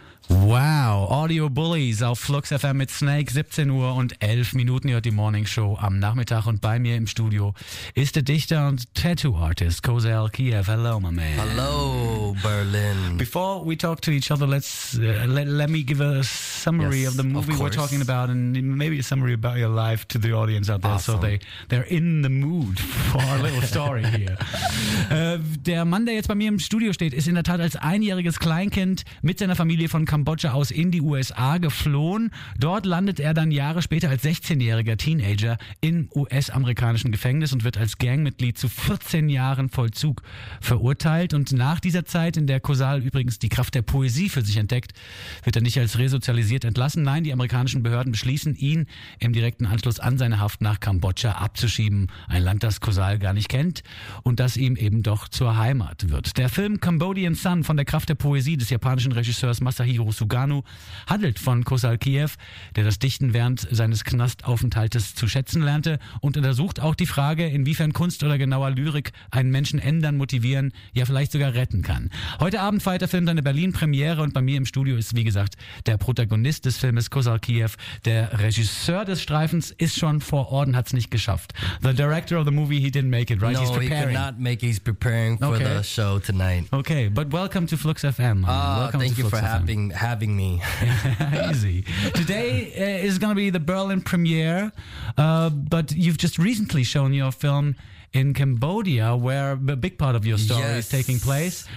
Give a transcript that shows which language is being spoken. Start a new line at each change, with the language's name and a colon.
German: Wow, Audio Bullies auf Flux FM mit Snake, 17 Uhr und 11 Minuten, hört die Morning Show am Nachmittag und bei mir im Studio ist der Dichter und Tattoo Artist Kozel Kiev.
English: Hello, my man. Hello, Berlin. Before we talk to each other, let me give a summary of the movie we're talking about and maybe a summary about your life to the audience out there, awesome. So they're in the mood for our little story here.
German: Der Mann, der jetzt bei mir im Studio steht, ist in der Tat als einjähriges Kleinkind mit seiner Familie von Kambodscha aus in die USA geflohen. Dort landet er dann Jahre später als 16-jähriger Teenager im US-amerikanischen Gefängnis und wird als Gangmitglied zu 14 Jahren Vollzug verurteilt. Und nach dieser Zeit, in der Kozel übrigens die Kraft der Poesie für sich entdeckt, wird er nicht als resozialisiert entlassen. Nein, die amerikanischen Behörden beschließen, ihn im direkten Anschluss an seine Haft nach Kambodscha abzuschieben. Ein Land, das Kozel gar nicht kennt und das ihm eben doch zur Heimat wird. Der Film Cambodian Sun von der Kraft der Poesie des japanischen Regisseurs Masahiro Suganu handelt von Kozel Kiev, der das Dichten während seines Knastaufenthaltes zu schätzen lernte und untersucht auch die Frage, inwiefern Kunst oder genauer Lyrik einen Menschen ändern, motivieren, ja vielleicht sogar retten kann. Heute Abend feiert der Film seine Berlin-Premiere und bei mir im Studio ist, wie gesagt, der Protagonist des Filmes Kozel Kiev. Der Regisseur des Streifens ist schon vor Ort und hat es nicht geschafft.
English: The director of the movie, he didn't make it, right? No, he's preparing. He cannot make it. He's preparing for the show tonight. Okay, but welcome to Flux FM. Welcome thank to you Flux for FM. Having me. Easy. Today is going to be the Berlin premiere, but you've just recently shown your film in Cambodia, where a big part of your story is taking place.